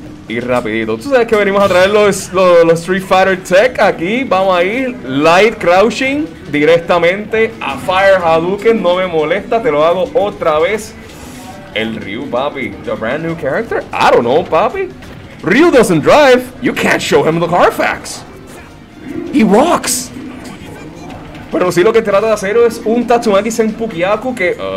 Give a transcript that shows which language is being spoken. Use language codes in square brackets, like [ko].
[es] Y rapidito. Tú sabes que venimos a traer los Street Fighter Tech aquí. Vamos a ir Light Crouching directamente a Fire Hadouken. No me molesta, te lo hago otra vez. El Ryu, papi. [en] The brand new character. I don't know, papi. Ryu doesn't drive. You can't show him the Carfax. He walks. [es] Pero sí, lo que trata de hacer es un Tatsumaki Senpukyaku que...